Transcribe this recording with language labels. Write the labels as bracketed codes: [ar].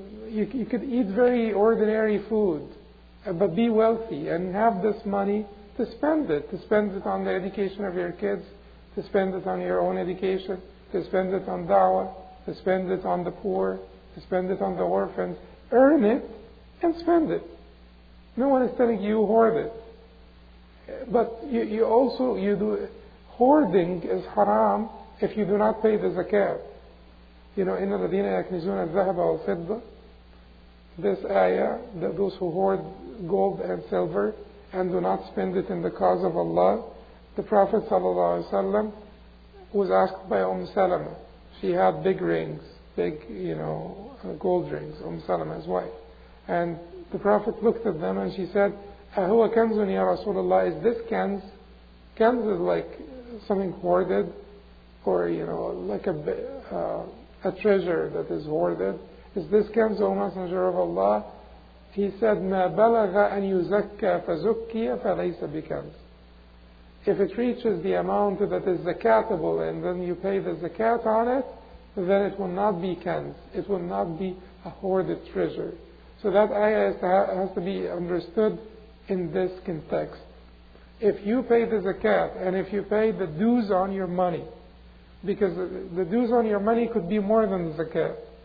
[en] You could eat very ordinary food, but be wealthy and have this money to spend it, on the education of your kids, to spend it on your own education, to spend it on da'wah, to spend it on the poor, to spend it on the orphans. Earn it and spend it. No one is telling you hoard it. But you do, hoarding is haram if you do not pay the zakat. You know, [ar] إِنَّ الَّذِينَ يَكْنِزُونَ الذَّهَبَ وَالْفِضَّةَ. [en] This ayah, that those who hoard gold and silver and do not spend it in the cause of Allah, the Prophet ﷺ was asked by Salama. She had big rings, big, you know, gold rings, Salama's wife. And the Prophet looked at them and she said, [ar] أَهُوَ كَنْزٌ يَا رَسُولَ اللَّهِ. [en] Is this kanz? Kanz is like something hoarded, or, you know, like a treasure that is hoarded. Is this kanz, O Messenger of Allah? He said, [ar] مَا بَلَغَ أَن يُزَكَّى فَزُكِّيَ فَلَيْسَ بِكَنْزٍ. [en] If it reaches the amount that is zakatable and then you pay the zakat on it, then it will not be kanz. It will not be a hoarded treasure. So that ayah has to be understood in this context. If you pay the zakat and if you pay the dues on your money, because the dues on your money could be more than the zakat.